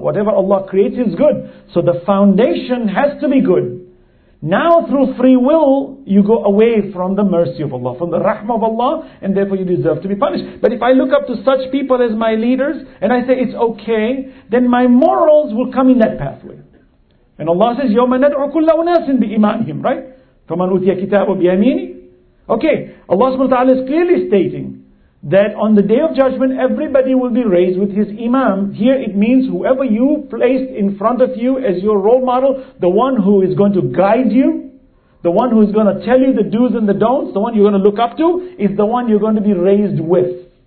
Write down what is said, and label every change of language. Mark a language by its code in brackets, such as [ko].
[en] Whatever Allah creates is good. So the foundation has to be good. Now through free will, you go away from the mercy of Allah, from the rahmah of Allah, and therefore you deserve to be punished. But if I look up to such people as my leaders, and I say it's okay, then my morals will come in that pathway. And Allah says, [ar] يَوْمَ نَدْعُ كُلَّ أُنَاسٍ بِإِمَانِهِمْ. [en] Right? [ar] فَمَنْ أُوتِيَ كِتَابُ بِيَمِينِ. [en] Okay, Allah subhanahu wa ta'ala is clearly stating that on the Day of Judgment, everybody will be raised with his imam. Here it means whoever you placed in front of you as your role model, the one who is going to guide you, the one who is going to tell you the do's and the don'ts, the one you're going to look up to, is the one you're going to be raised with.